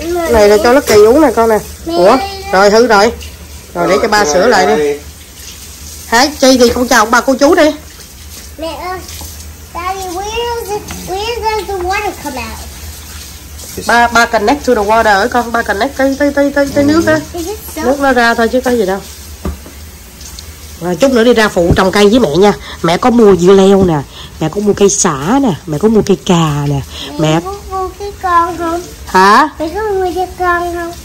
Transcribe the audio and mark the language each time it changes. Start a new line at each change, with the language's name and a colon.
Vietnamese: Này là cho lớp kỳ uống nè con nè. Ủa rồi hư rồi. Rồi để cho ba sửa lại đi. Hái chi thì con chào ba cô chú đi.
English: Mẹ ơi, Daddy, where does the water come out?
Vietnamese: Ba
English: connect to the water
Vietnamese: con. Ba connect cái nước á. Nước nó ra thôi chứ có gì đâu. Rồi chút nữa đi ra phụ trồng cây với mẹ nha. Mẹ có mua dưa leo nè, mẹ có mua cây xả nè, mẹ có mua cây cà nè. Mẹ có mua cái con không? Hả? Mẹ có mua cho con không?